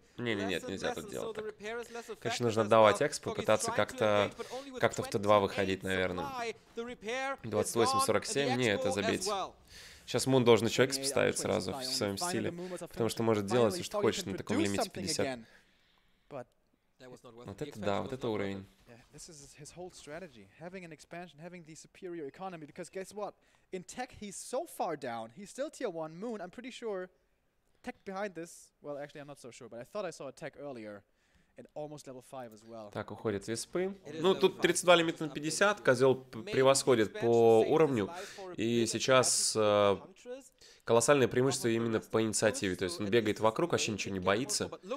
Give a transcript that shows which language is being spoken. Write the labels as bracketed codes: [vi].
[ru] Не-не-нет, нельзя тут делать так. Конечно, нужно давать экспу, пытаться как-то в Т2 выходить, наверное. 28-47, не, это забить. Сейчас Мун должен еще экспу ставить сразу в своем стиле, потому что может делать все, что хочет на таком лимите 50. Вот это да, вот это уровень. [en] This is his whole strategy, having an expansion, having the superior economy, because guess what? In tech, he's so far down, he's still tier 1, Moon, I'm pretty sure... Tech behind this, well, actually, I'm not so sure, but I thought I saw a tech earlier, and almost level 5 as well. [ru] Так, уходят виспы. Ну, тут 32 лимит на 50, козел превосходит по уровню, и сейчас колоссальное преимущество именно по инициативе, то есть он бегает вокруг, вообще ничего не боится.